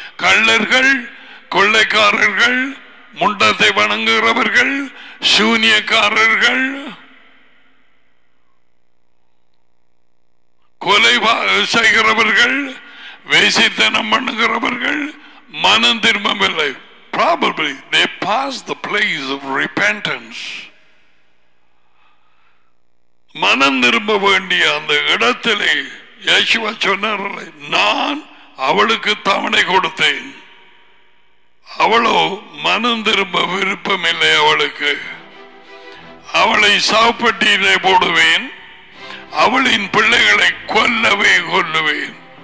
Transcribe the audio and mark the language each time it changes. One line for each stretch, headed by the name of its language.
Tamil: கள்ளர்கள், கொள்ளைக்காரர்கள், முண்டத்தை வணங்குகிறவர்கள், சூனியக்காரர்கள், கொலை செய்கிறவர்கள், வேசித்தனம் பண்ணுகிறவர்கள், மனம் திரும்பவில்லை.
English: Probably they passed the place of repentance.
Tamil: மனம் திரும்ப வேண்டிய அந்த இடத்திலே யேசுவா சொன்னார், நான் அவளுக்கு தவணை கொடுத்தேன், அவளோ மனம் திரும்ப விருப்பம் இல்லை அவளுக்கு. அவளை சாப்பட்டியிலே போடுவேன், அவளின் பிள்ளைகளை கொல்லவே கொல்லுவேன்.